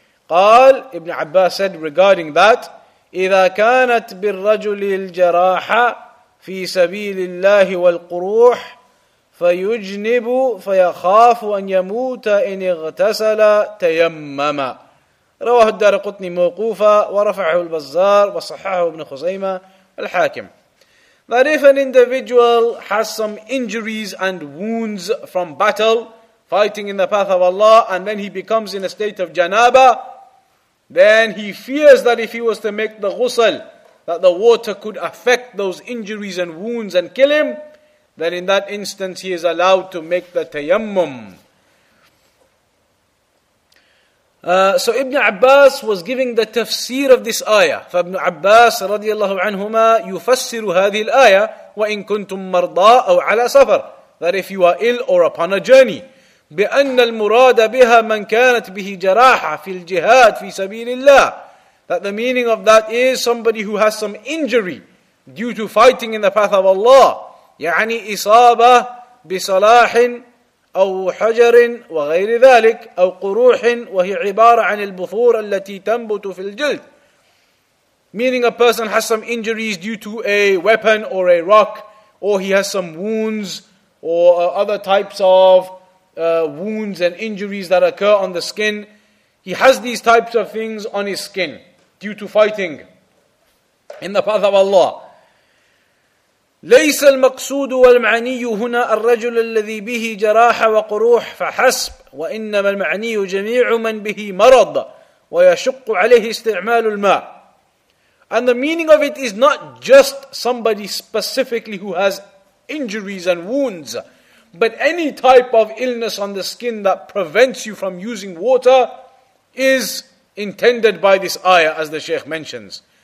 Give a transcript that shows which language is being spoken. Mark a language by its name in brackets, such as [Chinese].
[Arabic] Qal, [English] Ibn Abbas said regarding that, [Arabic] إذا كانت بالرجل الجراحة في سبيل الله والقروح فيجنب فيخاف أن يموت إن اغتسل تيمما رواه الدارقطني موقوفا ورفعه البزار وصححه ابن خزيمة الحاكم. [English] That if an individual has some injuries and wounds from battle, fighting in the path of Allah, and then he becomes in a state of janaba, then he fears that if he was to make the ghusl, that the water could affect those injuries and wounds and kill him, then in that instance he is allowed to make the tayammum. So Ibn Abbas was giving the tafsir of this ayah. [Arabic] فابن عباس رضي الله عنهما يفسر هذه الآية وإن كنتم مرضى أو على سفر, [English] that if you are ill or upon a journey. [Arabic] بأن المراد بها من كانت به جراحة في الجهاد في سبيل الله. [English] That the meaning of that is somebody who has some injury due to fighting in the path of Allah. [Arabic] يعني إصابة بصلاح أو حجر وغير ذلك أو قروح وهي عبارة عن البثور التي تنبت في الجلد. [English] Meaning a person has some injuries due to a weapon or a rock, or he has some wounds or other types of wounds and injuries that occur on the skin. He has these types of things on his skin due to fighting in the path of Allah. [Arabic] ليس المقصود والمعني هنا الرجل الذي به جراح وقروح فحسب وإنما المعني جميع من به مرض ويشق عليه استعمال الماء. [English] And the meaning of it is not just somebody specifically who has injuries and wounds, but any type of illness on the skin that prevents you from using water is intended by this ayah, as the Shaykh mentions.